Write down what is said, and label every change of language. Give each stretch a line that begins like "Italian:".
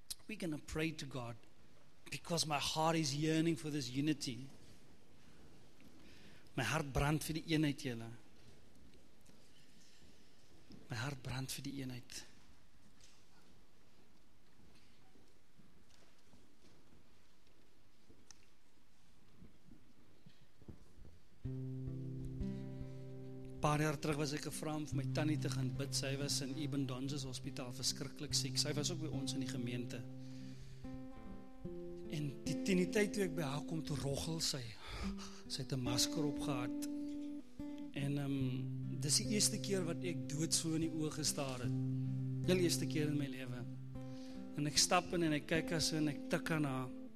English: We're going to pray to God because my heart is yearning for this unity.
Afrikaans: My hart brand vir die eenheid, julle. My hart brand vir die eenheid. Paar jaar terug was ek gevra om vir my tannie te gaan bid. Sy was in Eben Donzes Hospitaal verskriklik siek. Sy was ook by ons in die gemeente. En die tannie tyd toe ek by haar kom, toe roggel sy. Sy het 'n masker op gehad. En dis die eerste keer wat ek dood so in die oog gestaar het. Heel eerste keer in my lewe. En ek stap in en ek kyk as en ek tik aan haar.